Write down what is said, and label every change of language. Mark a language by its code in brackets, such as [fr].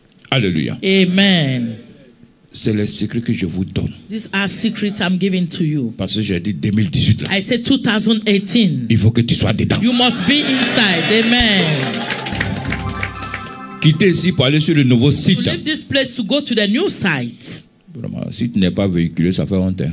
[fr] Alléluia. Amen. C'est le secret que je vous donne. [en] These are secrets I'm giving to you. [fr] Parce que j'ai dit 2018 là. [en] I said 2018. [fr] Il faut que tu sois dedans. [en] You must be inside. Amen. [fr] Quittez ici pour aller sur le nouveau site. [en] To leave this place to go to the new site. [fr] Vraiment, si tu n'es pas véhiculé, ça fait honte.